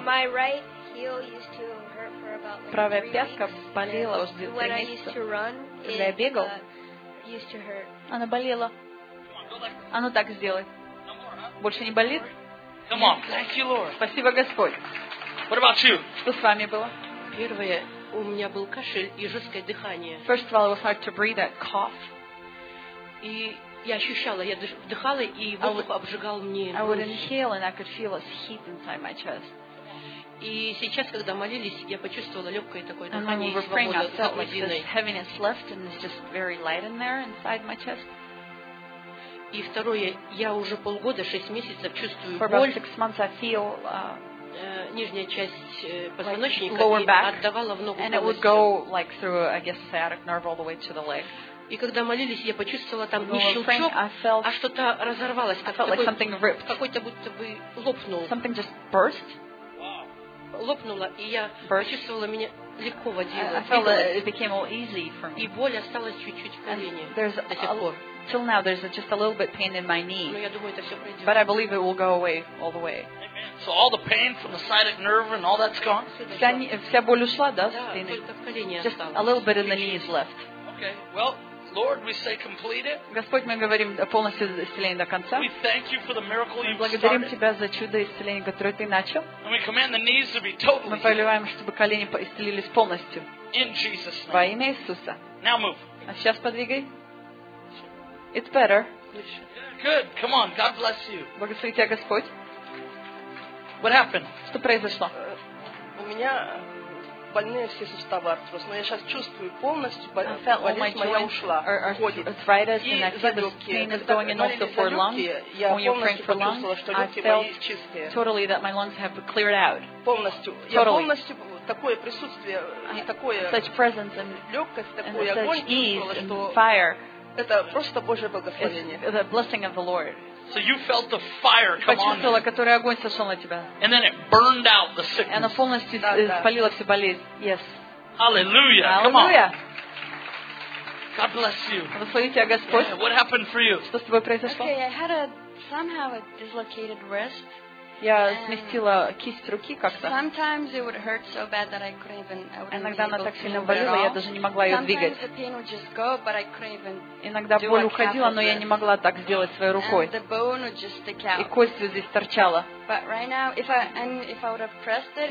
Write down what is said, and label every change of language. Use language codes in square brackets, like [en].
[en] My right heel used to hurt for about like [ru] Правая пятка болела уже где-то [en] When [ru] месяца. [en] I used to run, [ru] Когда [en] it, [ru] я бегал, [en] used to hurt. [ru] Она болела. А ну так сделай. Больше не болит? [en] Come on. Thank you, Lord. [ru] Спасибо, Господь. [en] What about you? [ru] Что с вами было? Первое. У меня был кашель и жесткое дыхание. [en] First of all, it was hard to breathe, that cough. [ru] И я ощущала, я вдыхала, и воздух обжигал мне. [en] I would inhale and I could feel this heat inside my chest. [ru] И сейчас, когда молились, я почувствовала легкое такое дыхание и свободу от грудиной. [en] And when we were praying, I felt this heaviness left and it's just very light in there inside my chest. [ru] И второе, я уже полгода, 6 месяцев чувствую боль. [en] For about 6 months, I feel [ru] нижняя часть позвоночника и отдавала в ногу. [en] And it would go like through, I guess, sciatic nerve all the way to the leg. [ru] И когда молились, я почувствовала там не щелчок, а что-то разорвалось, как такой, какой-то будто бы лопнул. [en] Something just burst. [ru] Лопнуло, и я почувствовала, меня легко водило. [en] I felt that it became all easy for me. [ru] И боль осталась чуть-чуть в колене. [en] There's [ru] до сих пор. [en] Till now, there's just a little bit pain in my knee. But I believe it will go away all the way. Amen. So all the pain from the sciatic nerve and all that's gone? [ru] Вся боль ушла, да? [en] Just a little bit in the knee is left. Okay. Well, Lord, we say complete it. [ru] Господь, мы говорим полностью исцеление до конца. [en] We thank you for the miracle you've started. [ru] Мы благодарим тебя за чудо исцеления, которое ты начал. [en] And we command the knees to be totally healed. [ru] Мы повелеваем, чтобы колени исцелились полностью. [en] In Jesus' name. [ru] Во имя Иисуса. [en] Now move. [ru] А сейчас подвигай. [en] It's better. Good. Come on. God bless you. [ru] Благослови тебя, Господь. [en] What happened? [ru] Что произошло? У меня больные все суставы артроз, но я сейчас чувствую полностью болезнь моя ушла. [en] Arthritis and I feel the pain is going in also for lungs. When you're praying for lungs, I felt totally that my lungs have cleared out. [ru] Полностью. Я полностью такое присутствие и такое. [en] Such presence and [ru] легкость, такой огонь, [en] ease and fire. [ru] Это просто Божье благословение. [en] The blessing of the Lord. So you felt the fire come on. [ru] Почувствовала, который огонь сошел на тебя. [en] And then it burned out the sickness. [ru] Она полностью испалила всю болезнь. [en] Yes. Hallelujah. Hallelujah. God bless you. [ru] Благослови тебя, Господь. [en] Yeah, what happened for you? [ru] Что с тобой произошло? [en] Okay, I had a somehow a dislocated wrist. [ru] Я сместила кисть руки как-то. [en] Sometimes it would hurt so bad that I couldn't even. [ru] Иногда она так сильно болела, я даже не могла ее двигать. [en] Sometimes the pain would just go, but I couldn't even. [ru] Иногда боль уходила, но я не могла так сделать своей рукой. [en] And the bone would just stick out. [ru] И кость вот здесь торчала. [en] But right now, if I would have pressed it, it would hurt.